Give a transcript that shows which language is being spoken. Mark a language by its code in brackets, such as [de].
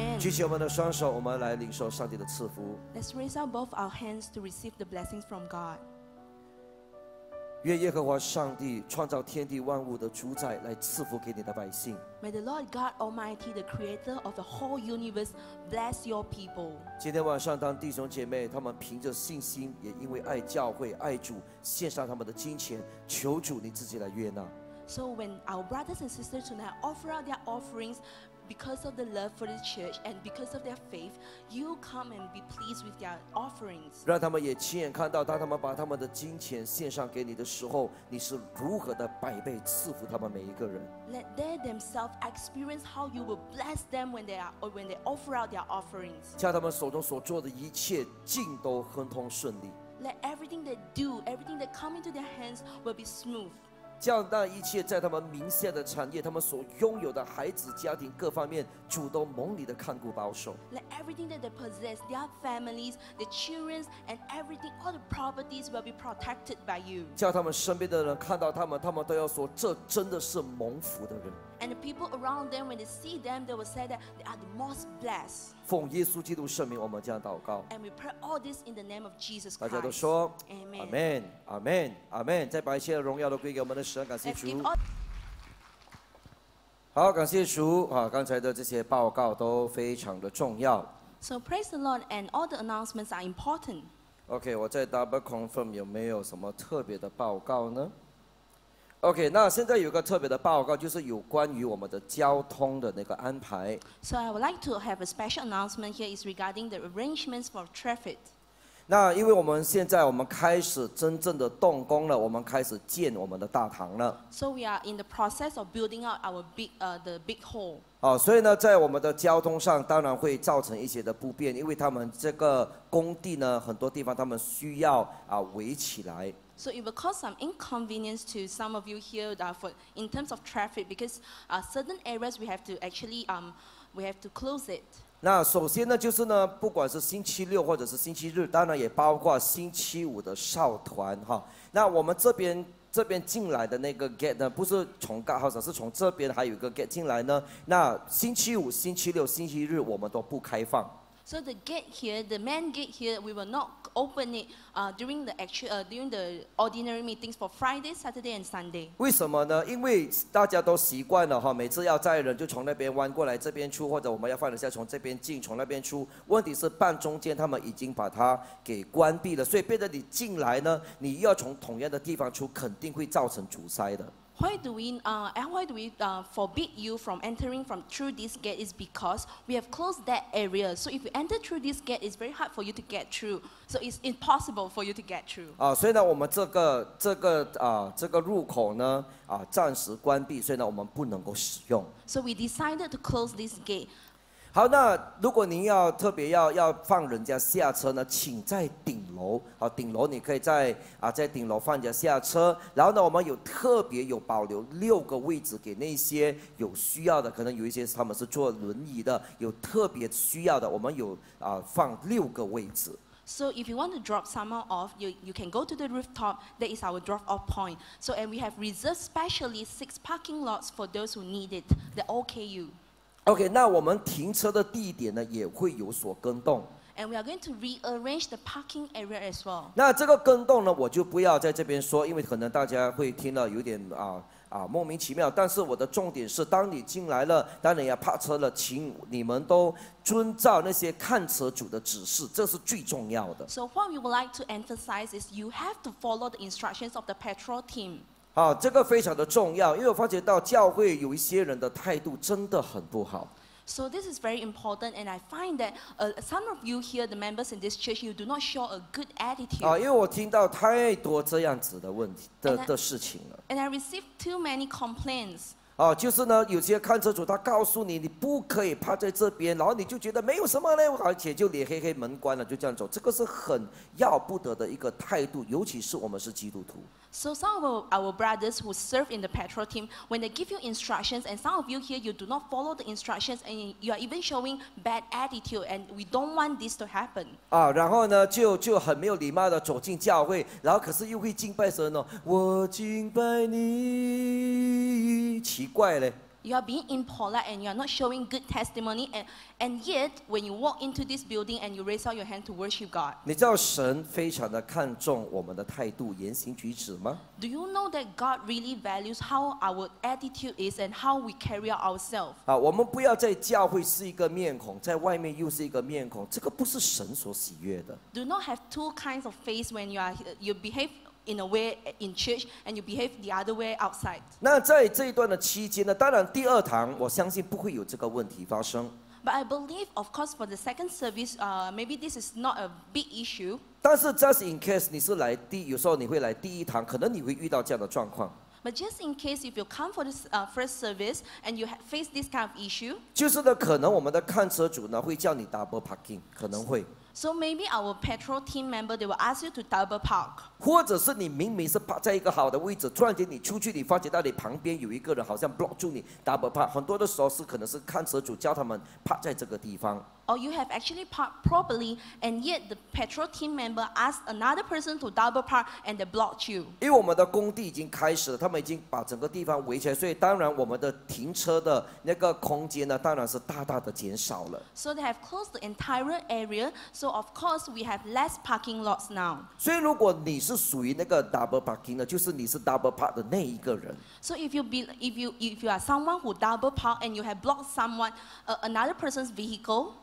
[zh] 起我们的双手，我们来领受上帝的赐福。 [en] Let's raise up both our hands to receive the blessings from God. [zh] 愿耶和华上帝创造天地万物的主宰来赐福给你的百姓。 [en] May the Lord God Almighty, the Creator of the whole universe, bless your people. [zh] 今天晚上，当弟兄姐妹他们凭着信心，也因为爱教会、爱主，献上他们的金钱，求主你自己来悦纳。 [en] So when our brothers and sisters tonight offer out their offerings because of the love for the church and because of their faith, you come and be pleased with their offerings. [zh] 让他们也亲眼看到，当他们把他们的金钱献上给你的时候，你是如何的百倍赐福他们每一个人。 [en] Let they themselves experience how you will bless them when they offer out their offerings. [zh] 叫他们手中所做的一切尽都亨通顺利。 [en] Let everything they do, everything that come into their hands will be smooth. [zh] 将那一切在他们名下的产业，他们所拥有的孩子、家庭各方面，主都蒙你的看顾保守。 [en] Let everything that they possess, their families, their children, and everything, all the properties will be protected by you. [zh] 叫他们身边的人看到他们，他们都要说，这真的是蒙福的人。 [en] And the people around them, when they see them, they will say that they are the most blessed. [zh] 奉耶稣基督圣名，我们这样祷告。 [en] And we pray all this in the name of Jesus Christ. [zh] 大家都说 [en] ，Amen, Amen, Amen, Amen. [zh] 再把一切荣耀都归给我们的神，感谢主。好，感谢主啊！刚才的这些报告都非常的重要。 [en] So praise the Lord, and all the announcements are important. [zh] Okay, 我再 [en] double confirm [zh] 有没有什么特别的报告呢？ OK, 那现在有个特别的报告，就是有关于我们的交通的那个安排。 [en] So I would like to have a special announcement here is regarding the arrangements for traffic. [zh] 那因为我们现在我们开始真正的动工了，我们开始建我们的大堂了。 [en] So we are in the process of building out our big, the big hall. [zh] 哦，所以呢，在我们的交通上当然会造成一些的不便，因为他们这个工地呢，很多地方他们需要啊围起来。 [en] So it will cause some inconvenience to some of you here that for, in terms of traffic because certain areas we have to actually, we have to close it. [zh] 那首先呢就是呢不管是星期六或者是星期日当然也包括星期五的少团哈。那我们这边进来的那个 gate 呢不是从高号上是从这边还有一个 gate 进来呢那星期五星期六星期日我们都不开放。 [en] So the gate here, the main gate here, we will not open it during the actual, during the ordinary meetings for Friday, Saturday, and Sunday. [zh] 为什么呢？因为大家都习惯了哈，每次要载人就从那边弯过来这边出，或者我们要放人下从这边进，从那边出。问题是半中间他们已经把它给关闭了，所以变得你进来呢，你要从同样的地方出，肯定会造成阻塞的。 [en] Why do we forbid you from entering from through this gate is because we have closed that area. So if you enter through this gate, it's very hard for you to get through. So it's impossible for you to get through. [zh] 所以呢，我们这个入口呢，暂时关闭，所以呢，我们不能够使用。 [en] So we decided to close this gate. [zh] 好，那如果您要特别要放人家下车呢，请在顶。好，顶楼你可以在顶楼放着下车，然后呢，我们有特别有保留六个位置给那些有需要的，可能有一些他们是坐轮椅的，有特别需要的，我们有放六个位置。 [en] So if you want to drop someone off, you can go to the rooftop. That is our drop-off point. So and we have reserved specially 6 parking lots for those who need it, the OKU. [zh] Okay, 那我们停车的地点呢也会有所更动。 [en] And we are going to rearrange the parking area as well. [zh] 那这个更动呢，我就不要在这边说，因为可能大家会听了有点莫名其妙。但是我的重点是，当你进来了，当你要park车了，请你们都遵照那些看车主的指示，这是最重要的。 [en] So what we would like to emphasize is you have to follow the instructions of the patrol team. [zh] 好，这个非常的重要，因为我发觉到教会有一些人的态度真的很不好。 [en] So this is very important, and I find that some of you here, the members in this church, you do not show a good attitude. [zh] 因为我听到太多这样子的问题的事情了。 [en] And I received too many complaints. [zh] 就是呢，有些看车主他告诉你，你不可以趴在这边，然后你就觉得没有什么嘞，而且就脸黑黑，门关了，就这样走。这个是很要不得的一个态度，尤其是我们是基督徒。 [en] So some of our brothers who serve in the patrol team, when they give you instructions, and some of you here, you do not follow the instructions, and you are even showing bad attitude, and we don't want this to happen. [zh] 然后呢，就很没有礼貌的走进教会，然后可是又会敬拜神哦，我敬拜你，奇怪嘞。 [en] You are being impolite and you are not showing good testimony. And yet, when you walk into this building and you raise out your hand to worship God, [zh] 你知道神非常的看重我们的态度、言行举止吗？ [en] Do you know that God really values how our attitude is and how we carry out ourselves? [zh] 啊，我们不要在教会是一个面孔，在外面又是一个面孔，这个不是神所喜悦的。 [en] Do not have two kinds of face when you behave. In a way in church, and you behave the other way outside. [zh] 那在这一段的期间呢，当然第二堂我相信不会有这个问题发生。 [en] But I believe, of course, for the second service, maybe this is not a big issue. [zh] 但是 [en] just in case [zh] 你是来第，有时候你会来第一堂，可能你会遇到这样的状况。 [en] But just in case, if you come for the first service and you face this kind of issue, [zh] 就是呢，可能我们的看车主呢会叫你 [en] double parking， [zh] 可能会。 [en] So maybe our patrol team member they will ask you to double park. [zh] 或者是你明明是 park 在一个好的位置，突然间你出去，你发觉到你旁边有一个人好像 block 住你 [en] double park。 [zh] 很多的时候是可能是看车主叫他们 park 在这个地方。 [en] Or you have actually parked properly, and yet the patrol team member asked another person to double park and they blocked you. [zh] 因为我们的工地已经开始了，他们已经把整个地方围起来，所以当然我们的停车的那个空间呢，当然是大大的减少了。 [en] So they have closed the entire area, so of course we have less parking lots now. [zh] 所以如果你是属于那个 [en] double parking [zh] 的，就是你是 [en] double park [zh] 的那一个人。 [en] So if you are someone who double park and you have blocked someone, another person's vehicle.